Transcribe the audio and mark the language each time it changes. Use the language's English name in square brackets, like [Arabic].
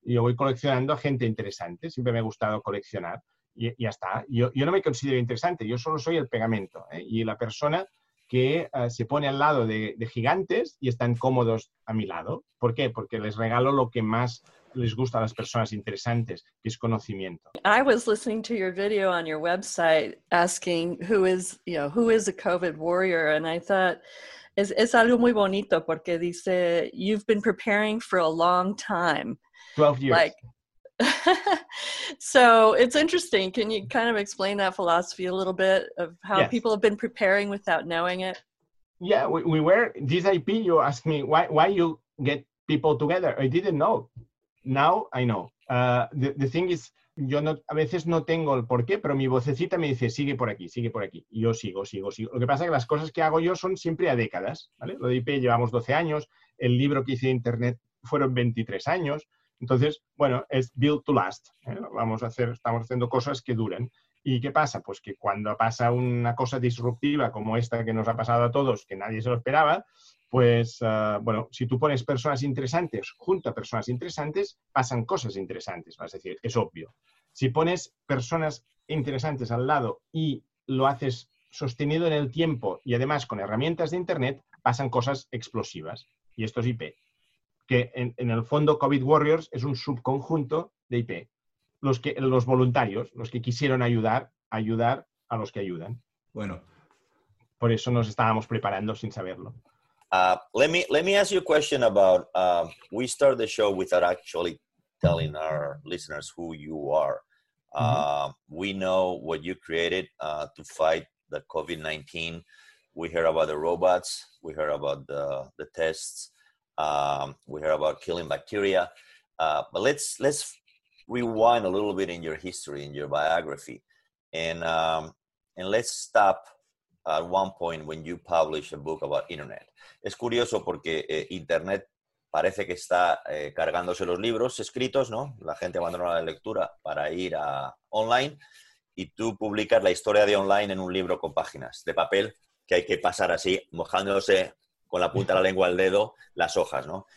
[Spanish] Yo voy coleccionando a gente interesante, siempre me ha gustado coleccionar y ya está. Yo no me considero interesante, yo solo soy el pegamento, ¿eh? Y la persona que se pone al lado de gigantes y están cómodos a mi lado. ¿Por qué? Porque les regalo lo que más... les gusta a las personas interesantes, que es conocimiento. [English] I was listening to your video on your website asking who is a COVID warrior, and I thought [Spanish] es algo muy bonito porque dice [English] you've been preparing for a long time. 12 years. Like, so it's interesting. Can you kind of explain that philosophy a little bit of how yes. people have been preparing without knowing it? Yeah, we were this IP you asked me why you get people together. I didn't know. Now I know. The thing is, [Spanish] yo no, a veces no tengo el porqué, pero mi vocecita me dice, sigue por aquí, sigue por aquí. Y yo sigo. Lo que pasa es que las cosas que hago yo son siempre a décadas, ¿vale? Lo de IP llevamos 12 años, el libro que hice de internet fueron 23 años. Entonces, bueno, es [English] built to last, [Spanish] ¿eh? Estamos haciendo cosas que duran. ¿Y qué pasa? Pues que cuando pasa una cosa disruptiva como esta que nos ha pasado a todos, que nadie se lo esperaba... Pues, bueno, si tú pones personas interesantes junto a personas interesantes, pasan cosas interesantes, ¿vale? Es decir, es obvio. Si pones personas interesantes al lado y lo haces sostenido en el tiempo y además con herramientas de Internet, pasan cosas explosivas. Y esto es IP. Que en el fondo COVID Warriors es un subconjunto de IP. Los voluntarios, los que quisieron ayudar a los que ayudan. Bueno. Por eso nos estábamos preparando sin saberlo. [English] Let me ask you a question about, we start the show without actually telling our listeners who you are. Mm-hmm. We know what you created to fight the COVID-19. We hear about the robots. We hear about the tests. We hear about killing bacteria. But let's rewind a little bit in your history, in your biography. And let's stop at one point when you publish a book about internet. [Spanish] Es curioso porque internet parece que está cargándose los libros escritos, ¿no? La gente abandona la lectura para ir a online y tú publicas la historia de online en un libro con páginas de papel que hay que pasar así, mojándose con la punta de la lengua al dedo, las hojas, ¿no?